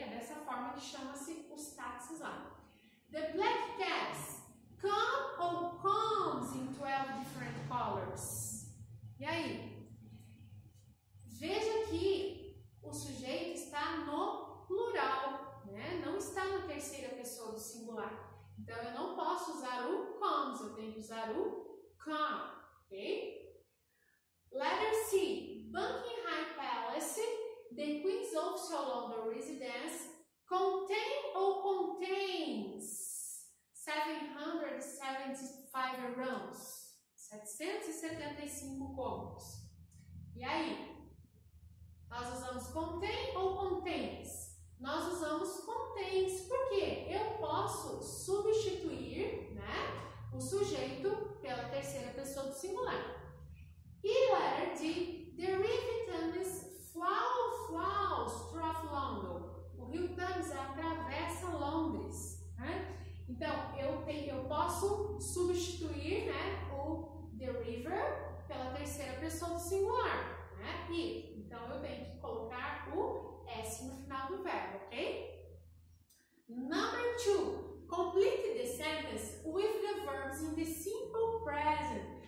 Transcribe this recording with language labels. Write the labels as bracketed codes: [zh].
[pt] É dessa forma que chama-se os táxis lá. [en] The black cabs come or comes in 12 different colors. [pt] E aí? Veja que o sujeito está no plural, né? Não está na terceira pessoa do singular. Então, eu não posso usar o comes, eu tenho que usar o come, ok? [en] Letter C. Buckingham Palace, the Queen's official London residence, contain or contains 775 rooms. [pt] 775 cômodos. E aí? Nós usamos contain ou contains? Nós usamos contains porque eu posso substituir, né, o sujeito pela terceira pessoa do singular. [en] E letter D, the River Thames flows through London. [pt] O Rio Thames atravessa Londres. Né? Então, eu posso substituir, né, o the river pela terceira pessoa do singular. Né? E, então, eu tenho que colocar o S no final do verbo, ok? [en] Number two. Complete the sentence with the verbs in the simple present.